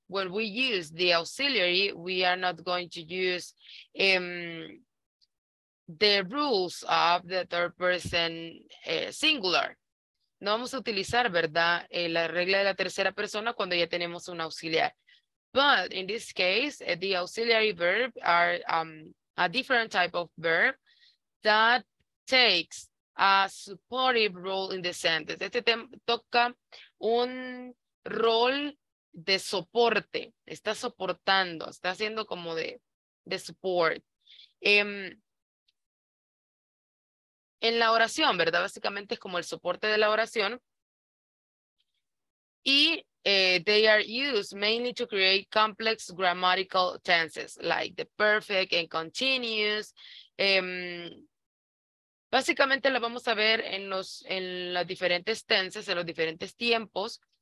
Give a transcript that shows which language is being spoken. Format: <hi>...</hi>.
<en>When we use the auxiliary, we are not going to use the rules of the third person singular.</en> <es>No vamos a utilizar, ¿verdad?, la regla de la tercera persona cuando ya tenemos un auxiliar.</es> <en>But in this case, the auxiliary verb are a different type of verb that takes a supportive role in the sentence.</en> <es>Este tema toca un rol de soporte, está soportando, está haciendo como de support. En la oración, ¿verdad? Básicamente es como el soporte de la oración.</es> <en>Y they are used mainly to create complex grammatical tenses, like the perfect and continuous.</en> <es>Básicamente lo vamos a ver en las diferentes tenses, en los diferentes tiempos,</es>